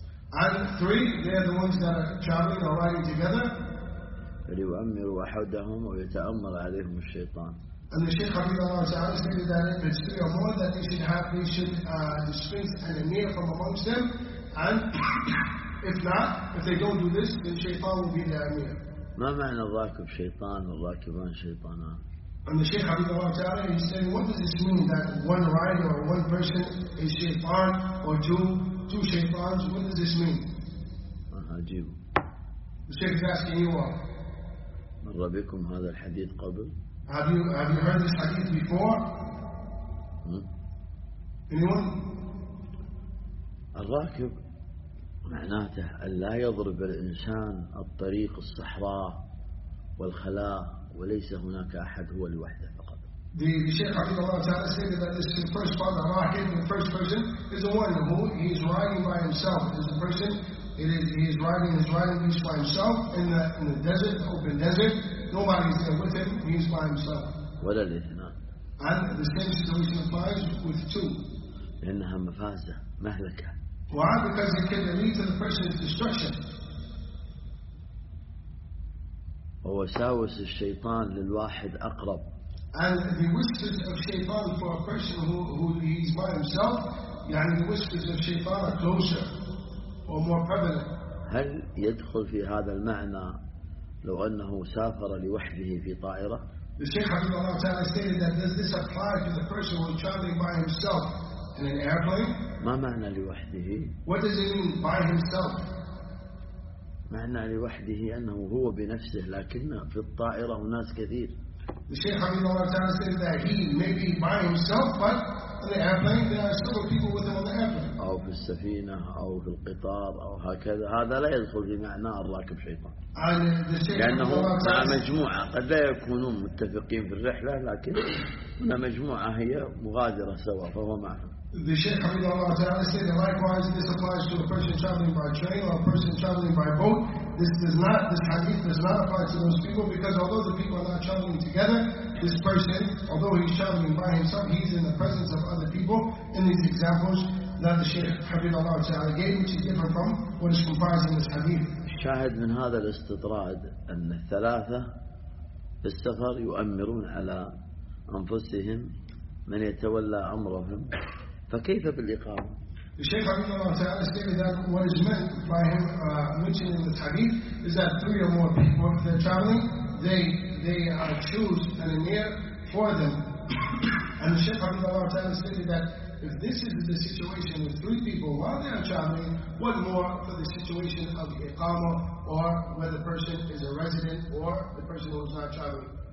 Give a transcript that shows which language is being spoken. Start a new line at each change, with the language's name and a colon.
English: And three, they are the ones that are traveling or riding together.
Arabic: فليؤمر أحدهم ويتأمر عليهم الشيطان.
English: And the Shaykh Hafidhullah Ta'ala stated that if it's three or more, that they should dispense an emir from amongst them. And if not, if they don't do this, then shaytan will be their emir.
Arabic: ما معنى الراكب شيطان والراكبان شيطانان؟
English: And the Shaykh Hafidhullah Ta'ala is saying, what does this mean that one rider or one person is shaytan or two shaytans? What does this mean?
Arabic: عجيب.
English: The Shaykh is asking you what?
Arabic: مر بكم هذا الحديث قبل؟
English: Have you heard this hadith before? Anyone?
Arabic: الراكب معناته ألا يضرب الإنسان الطريق الصحراء والخلاء وليس هناك أحد هو لوحده فقط.
English: The Shaykh Hafidhullah Ta'ala said that this is the first part of الراكب, the first person is the one who he is riding by himself. Is the person he is riding by himself in the desert, open desert. Nobody's there with him, he's by himself.
Arabic: ولا الاثنان.
English: And the same situation applies with two.
Arabic: لأنها مفازة مهلكة.
English: Why? Because it can lead to the person's destruction.
Arabic: ووساوس الشيطان للواحد أقرب.
English: And the whispers of shaitan for a person who he's by himself, يعني the whispers of shaitan are closer or more prevalent.
Arabic: هل يدخل في هذا المعنى لو أنه سافر لوحده في طائرة؟
English: The Shaykh Hafidhullah Ta'ala stated that this applies to the person who is traveling by himself in an airplane?
Arabic: ما معنى لوحده؟
English: What does it mean by himself?
Arabic: معنى لوحده أنه هو بنفسه لكن في الطائرة ناس كثير.
English: The Sheikh Habibullah Al-Tan said that he may be by himself, but in the airplane there are several people with him on the airplane.
Arabic: أو في السفينة أو في القطار أو هكذا هذا لا يدخل في معنى الراكب شيطان لأنه مع مجموعة قد لا يكونوا متفقين في الرحلة لكن هنا مجموعة هي مغادرة سوا فهو معهم.
English: The Sheikh Habibullah Ta'ala said that likewise this applies to a person traveling by train or a person traveling by boat. This hadith does not apply to those people because although the people are not traveling together, this person, although he's traveling by himself, he's in the presence of other people in these examples that the Sheikh Habibullah Ta'ala gave, which is different from what is comprised in this hadith.
Arabic: شاهد من هذا الاستطراد أن الثلاثة في السفر يؤمرون على أنفسهم من يتولى أمرهم فكيف بالإقامة؟ الشيخ عبد الله تعالى
English: stated that what is meant by him mentioning the hadith is that three or more people if they're traveling they choose an emir for them and the Sheikh
Arabic: عبد الله تعالى
English: stated that if this is the situation with three people while they are traveling, what more for the situation of iqama or where the person is a resident or the person who is not traveling?